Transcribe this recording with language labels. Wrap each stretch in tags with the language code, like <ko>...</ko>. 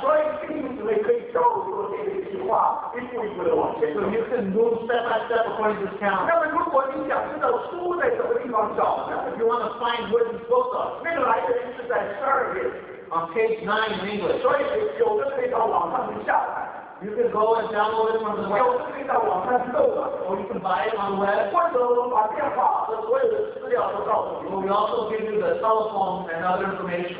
<zh>所以弟兄姊妹可以照着这个计划一步一步的往前走。</zh> <en>So you can move step by step according to this count.</en> <zh>那么如果你想知道书在什么地方找呢</zh> <en>？If you want to find where the book is,</en> <zh>那个来源是在十二页。</zh> <en>On page 9 in English.</en> <zh>所以有的可以到网上去下载。</zh> <en>You can go and download it from the web.</en> <zh>有的可以到网上搜啊。</zh> <en>Or you can buy it on the web.</en> <zh>或者我把电话和所有的资料都告诉你。</zh> <en>We also give you the cell phone and other information.</en>